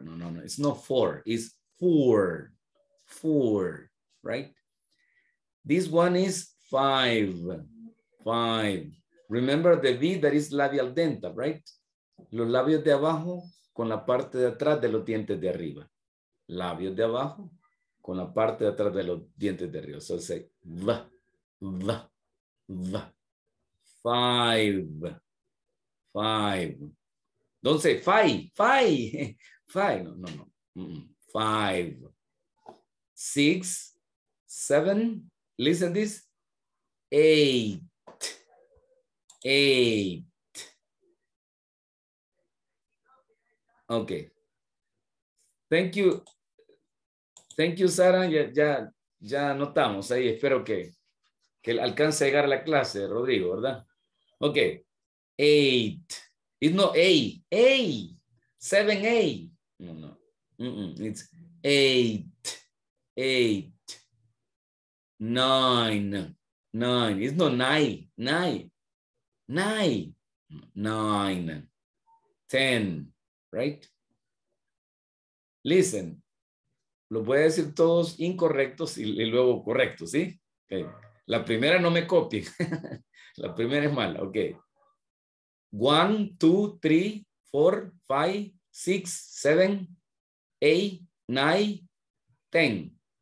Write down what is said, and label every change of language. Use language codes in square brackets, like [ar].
[en] No, no, no, it's not four, it's four, four, right? This one is five, five. Remember the V that is labial dental, right? [es] Los labios de abajo con la parte de atrás de los dientes de arriba. Labios de abajo con la parte de atrás de los dientes de arriba. [en] So, say V, V, V. Five, five. Don't say five, five, five. No, no, no. Five, six, seven. Listen to this. Eight, eight. Okay. Thank you, Sara. [es] Ya anotamos ahí. Espero que alcance a llegar a la clase, Rodrigo, ¿verdad? [en] Okay, eight, it's not a, seven a, no, no, it's eight, eight, nine, nine, it's not nine, nine, nine, nine, ten, right? Listen, [es] lo voy a decir todos incorrectos y luego correctos, ¿sí? Okay. La primera no me copien. La primera es mala, ok. [en] One, two, three, four, five, six, seven, eight, nine, ten.